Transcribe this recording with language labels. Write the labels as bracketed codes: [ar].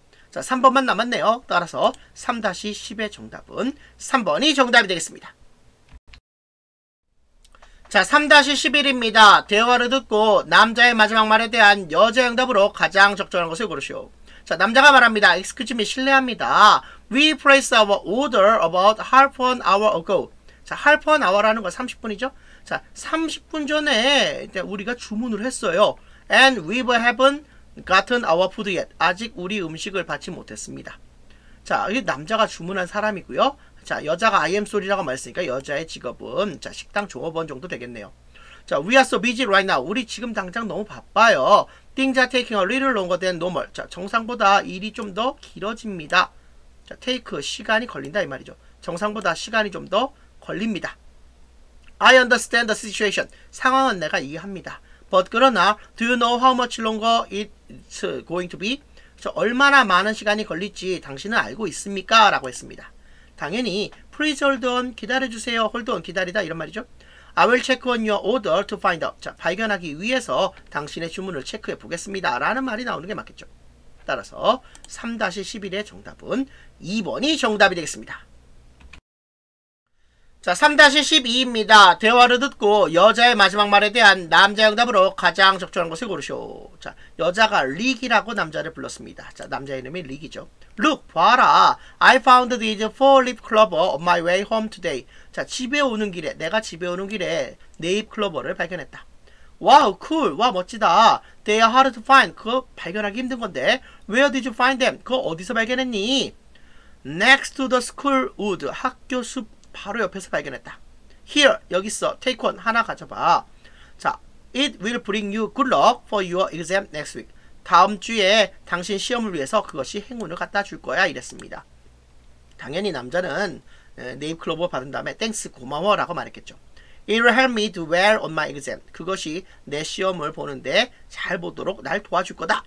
[ko] 자, 3번만 남았네요. 따라서 3-10의 정답은 3번이 정답이 되겠습니다. 자, 3-11입니다. 대화를 듣고 남자의 마지막 말에 대한 여자의 응답으로 가장 적절한 것을 고르시오. 자, 남자가 말합니다. [en] Excuse me, [ko] 실례합니다. [en] We placed our order about half an hour ago. [ko] 자, half an hour라는 건 30분이죠. 자, 30분 전에 이제 우리가 주문을 했어요. [en] And we haven't gotten our food yet. [ko] 아직 우리 음식을 받지 못했습니다. 자, 이 남자가 주문한 사람이고요. 자, 여자가 I am sorry라고 말했으니까 여자의 직업은 자, 식당 종업원 정도 되겠네요. [en] 자, we are so busy right now. [ko] 우리 지금 당장 너무 바빠요. [en] Things are taking a little longer than normal. [ko] 자, 정상보다 일이 좀 더 길어집니다. 자, take 시간이 걸린다 이 말이죠. 정상보다 시간이 좀 더 걸립니다. [en] I understand the situation. [ko] 상황은 내가 이해합니다. [en] But [ko] 그러나 [en] do you know how much longer it's going to be? [ko] 저 얼마나 많은 시간이 걸릴지 당신은 알고 있습니까? 라고 했습니다. 당연히 [en] please hold on [ko] 기다려주세요. Hold on 기다리다 이런 말이죠. [en] I will check on your order to find out. [ko] 자, 발견하기 위해서 당신의 주문을 체크해 보겠습니다. 라는 말이 나오는 게 맞겠죠. 따라서 3-11의 정답은 2번이 정답이 되겠습니다. 자, 3-12입니다. 대화를 듣고 여자의 마지막 말에 대한 남자의 응답으로 가장 적절한 것을 고르시오. 자, 여자가 릭이라고 남자를 불렀습니다. 자, 남자 이름이 릭이죠. [en] Look, [ko] 봐라. [en] I found these four leaf clover on my way home today. [ko] 자, 집에 오는 길에, 내가 집에 오는 길에 네잎 클로버를 발견했다. [en] Wow, cool. [ko] 와, 멋지다. [en] They are hard to find. [ko] 그거 발견하기 힘든 건데. [en] Where did you find them? [ko] 그거 어디서 발견했니? [en] Next to the school wood. [ko] 학교 숲. 바로 옆에서 발견했다. [en] Here, [ko] 여기 있어. [en] Take one. [ko] 하나 가져봐. [en] 자, It will bring you good luck for your exam next week. [ko] 다음 주에 당신 시험을 위해서 그것이 행운을 갖다 줄 거야. 이랬습니다. 당연히 남자는 네잎 클로버 받은 다음에 Thanks, 고마워 라고 말했겠죠. [en] It will help me do well on my exam. [ko] 그것이 내 시험을 보는데 잘 보도록 날 도와줄 거다.